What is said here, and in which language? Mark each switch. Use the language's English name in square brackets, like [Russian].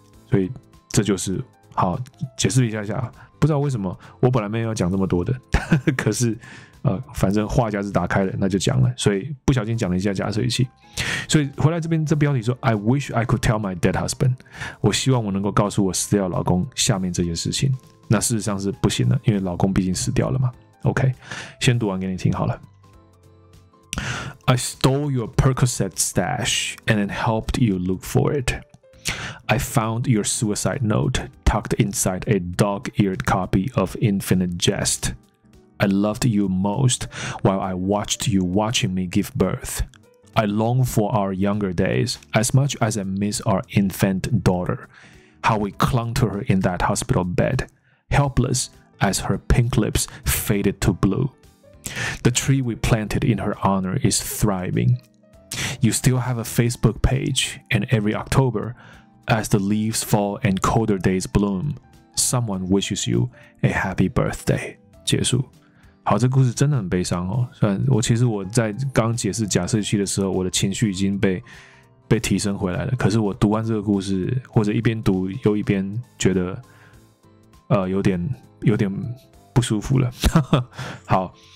[Chinese] 所以这就是好解释一下下。不知道为什么我本来没有讲这么多的，可是反正话匣子打开了，那就讲了。所以不小心讲了一下假设语气。所以回来这边这标题说 [English] ：I wish I could tell my dead husband. [Chinese] 我希望我能够告诉我死掉老公下面这件事情。那事实上是不行的，因为老公毕竟死掉了嘛。 OK， 先读完给你听好了。 [English] I stole your Percocet stash and then helped you look for it. I found your suicide note tucked inside a dog-eared copy of Infinite Jest. I loved you most while I watched you watching me give birth. I long for our younger days as much as I miss our infant daughter. How we clung to her in that hospital bed, helpless as her pink lips faded to blue. The tree we planted in her honor is thriving. You still have a Facebook page, and every October, as the leaves fall and colder days bloom, someone wishes you a happy birthday. [Chinese] 结束。好，这故事真的很悲伤哦。我在刚解释假设语气的时候，我的情绪已经被提升回来了。可是我读完这个故事，或者一边读又一边觉得，有点不舒服了。好。